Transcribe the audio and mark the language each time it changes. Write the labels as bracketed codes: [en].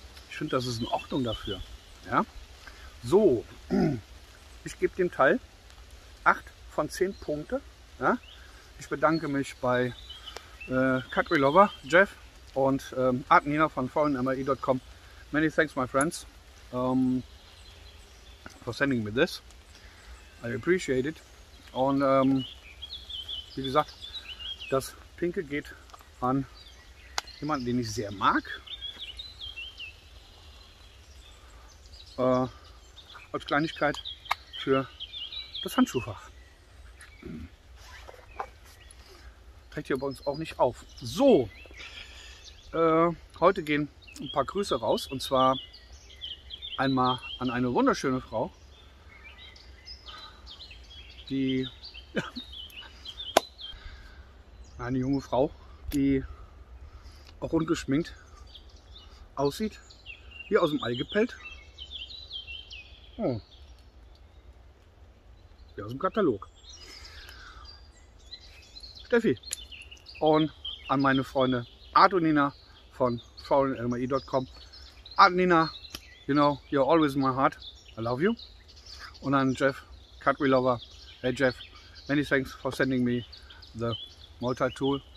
[de] Ich finde, das ist in Ordnung dafür, ja. So, ich gebe dem Teil 8 von 10 Punkte. Ja, ich bedanke mich bei Cutry Lover, Jeff und Art Nina von foreignme.com. [en] Many thanks, my friends, for sending me this. I appreciate it. [de] Und wie gesagt, das Pinke geht an jemanden, den ich sehr mag. Als Kleinigkeit für das Handschuhfach. Trägt ihr bei uns auch nicht auf. So, heute gehen ein paar Grüße raus. Und zwar einmal an eine wunderschöne Frau, die, eine junge Frau, die auch ungeschminkt aussieht, hier aus dem Ei gepellt. Oh. Hier aus dem Katalog. Steffi. Und an meine Freunde Art und Nina von foreignme.com. [en] Art und Nina, you know, you're always in my heart. I love you. [de] Und an [en] Jeff, Cutry Lover. Hey Jeff, many thanks for sending me the multi-tool.